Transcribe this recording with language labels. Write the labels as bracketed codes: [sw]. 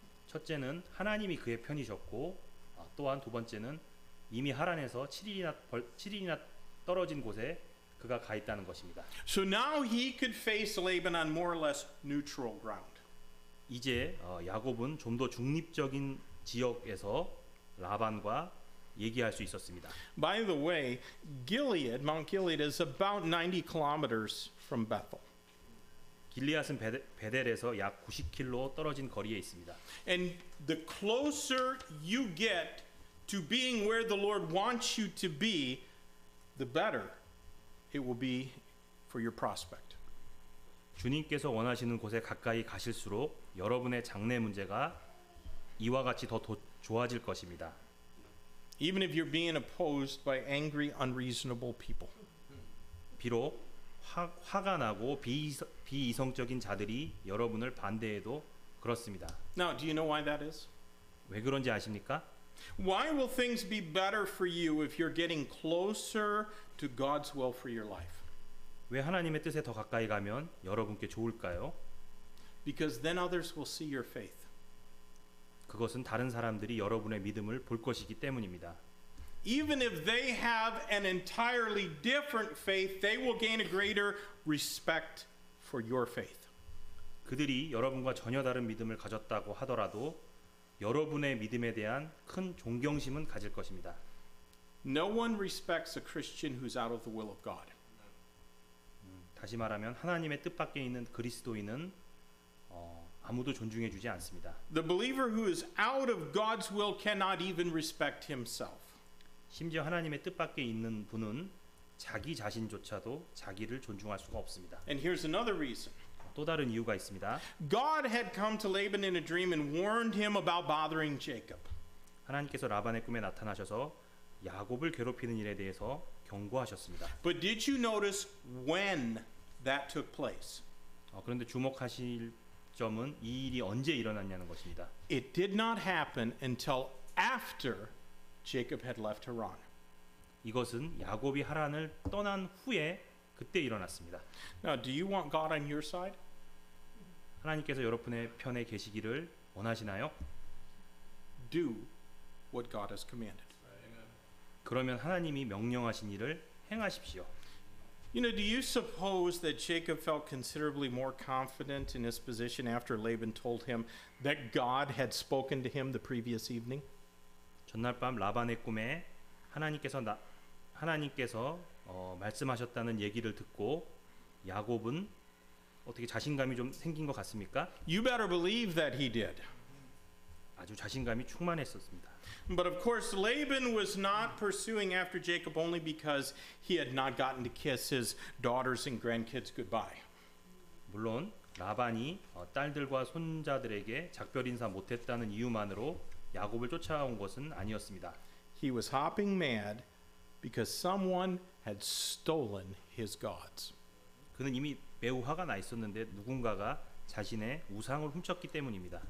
[ko] 첫째는 하나님이 그의 편이셨고, 또한 두 번째는 이미 하란에서 7일이나 떨어진 곳에 그가 가 있다는 것입니다. [en] So now he could face Laban on more or less neutral ground. [ko] 이제 야곱은 좀 더 중립적인 지역에서 라반과 얘기할 수 있었습니다. [en] By the way, Gilead, Mount Gilead, is about 90 kilometers from Bethel. [ko] 길리앗은 베델에서 약 90km 떨어진 거리에 있습니다. [en] And the closer you get to being where the Lord wants you to be, the better it will be for your prospect. [ko] 주님께서 원하시는 곳에 가까이 가실수록 여러분의 장래 문제가 이와 같이 더 좋아질 것입니다. [en] Even if you're being opposed by angry, unreasonable people. [ko] 비록 화가 나고 비이성적인 자들이 여러분을 반대해도 그렇습니다. [en] Now, do you know why that is? [ko] 왜 그런지 아십니까? [en] Why will things be better for you if you're getting closer to God's will for your life? [ko] 왜 하나님의 뜻에 더 가까이 가면 여러분께 좋을까요? [en] Because then others will see your faith. [ko] 그것은 다른 사람들이 여러분의 믿음을 볼 것이기 때문입니다. [en] Even if they have an entirely different faith, they will gain a greater respect for your faith. [ko] 그들이 여러분과 전혀 다른 믿음을 가졌다고 하더라도 여러분의 믿음에 대한 큰 존경심은 가질 것입니다. [en] No one respects a Christian who's out of the will of God. [ko] 다시 말하면 하나님의 뜻밖에 있는 그리스도인은 아무도 존중해 주지 않습니다. [en] The believer who is out of God's will cannot even respect himself. [ko] 심지어 하나님의 뜻밖에 있는 분은 자기 자신조차도 자기를 존중할 수가 없습니다. [en] And here's another reason. [ko] 또 다른 이유가 있습니다. [en] God had come to Laban in a dream and warned him about bothering Jacob. [ko] 하나님께서 라반의 꿈에 나타나셔서 야곱을 괴롭히는 일에 대해서 경고하셨습니다. [en] But did you notice when that took place? [ko] 그런데 주목하실 점은 이 일이 언제 일어났냐는 것입니다. [en] It did not happen until after Jacob had left Haran. [ko] 이것은 야곱이 하란을 떠난 후에 그때 일어났습니다. [en] Now, do you want God on your side? [ko] 하나님께서 여러분의 편에 계시기를 원하시나요? [en] Do what God has commanded. [ko] 그러면 하나님이 명령하신 일을 행하십시오. [en] You know, do you suppose that Jacob felt considerably more confident in his position after Laban told him that God had spoken to him the previous evening? [ko] 전날 밤 라반의 꿈에 하나님께서 하나님께서 말씀하셨다는 얘기를 듣고 야곱은 어떻게 자신감이 좀 생긴 것 같습니까? [en] You better believe that he did. [ko] 아주 자신감이 충만했었습니다. [en] But of course, Laban was not pursuing after Jacob only because he had not gotten to kiss his daughters and grandkids goodbye. [ko] 물론 라반이 딸들과 손자들에게 작별 인사 못했다는 이유만으로 야곱을 쫓아온 것은 아니었습니다. [en] He was hopping mad because someone had stolen his gods. [ko] 그는 이미 매우 화가 나 있었는데 누군가가 자신의 우상을 훔쳤기 때문입니다.